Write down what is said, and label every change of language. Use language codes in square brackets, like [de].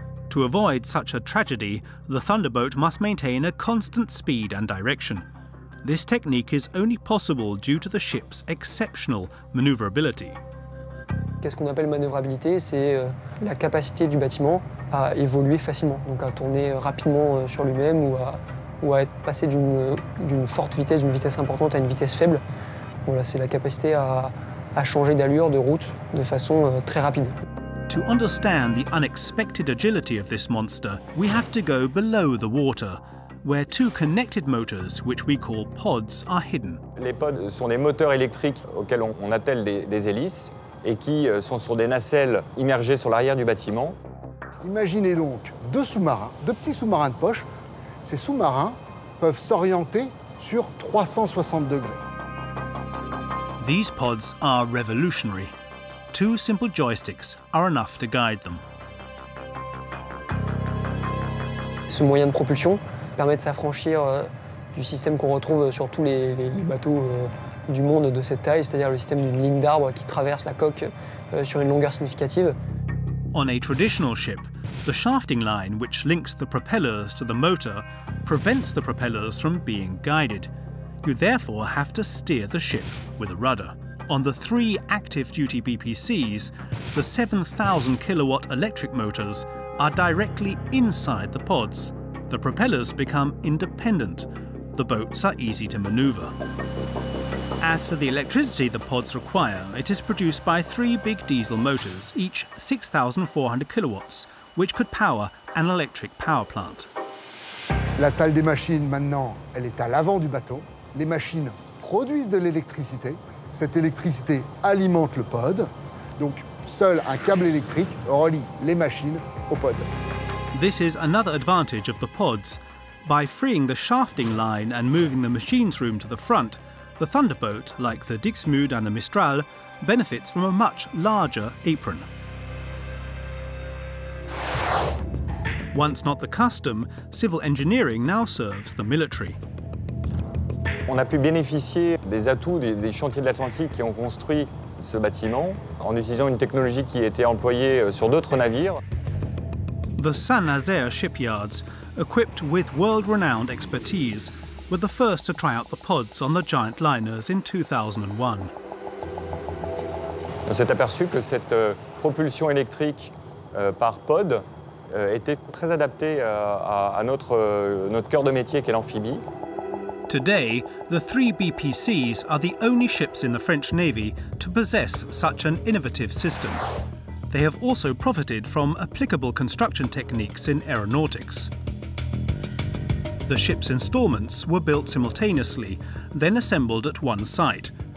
[en] To avoid such a tragedy, the Thunderboat must maintain a constant speed and direction. This technique is only possible due to the ship's exceptional maneuverability. [fr] Qu'est-ce qu'on appelle maneuverabilité? C'est la capacité du bâtiment à évoluer facilement, donc à tourner rapidement sur lui-même ou à être passé d'une forte vitesse, d'une vitesse importante à une vitesse faible. Voilà, c'est la capacité à changer d'allure, de route, de façon très rapide. [en] To understand the unexpected agility of this monster, we have to go below the water, where two connected motors, which we call pods, are hidden. [fr] Les pods sont des moteurs électriques auxquels on attelle des hélices et qui sont sur des nacelles immergées sur l'arrière du bâtiment. Imaginez donc deux sous-marins, deux petits sous-marins de poche. Ces sous-marins peuvent s'orienter sur 360 degrés. [en] These pods are revolutionary. Two simple joysticks are enough to guide them. [fr] Ce moyen de propulsion permet de s'affranchir du système qu'on retrouve sur tous les bateaux du monde de cette taille, c'est-à-dire le système d'une ligne d'arbre qui traverse la coque sur une longueur significative. [en] On a traditional ship, the shafting line which links the propellers to the motor prevents the propellers from being guided. You therefore have to steer the ship with a rudder. On the three active duty BPCs, the 7,000 kilowatt electric motors are directly inside the pods. The propellers become independent. The boats are easy to maneuver. As for the electricity the pods require, it is produced by three big diesel motors, each 6,400 kilowatts, which could power an electric power plant. [fr] La salle des machines maintenant, elle est à l'avant du bateau. Les machines produisent de l'électricité. Cette électricité alimente le pod. Donc, seul un câble électrique relie les machines au pod. [en] This is another advantage of the pods. By freeing the shafting line and moving the machines room to the front, the Thunderboat, like the Dixmude and the Mistral, benefits from a much larger apron. Once not the custom, civil engineering now serves the military. [fr] On a pu bénéficier des atouts des chantiers de l'Atlantique qui ont construit ce bâtiment en utilisant une technologie qui était employée sur d'autres navires. [en] The Saint-Nazaire shipyards, equipped with world-renowned expertise, were the first to try out the pods on the giant liners in 2001. [fr] On s'est aperçu que cette propulsion électrique par pod était très adaptée à notre cœur de métier qu'est l'amphibie. [en] Today, the three BPCs are the only ships in the French Navy to possess such an innovative system. They have also profited from applicable construction techniques in aeronautics. The ship's installments were built simultaneously, then assembled at one site.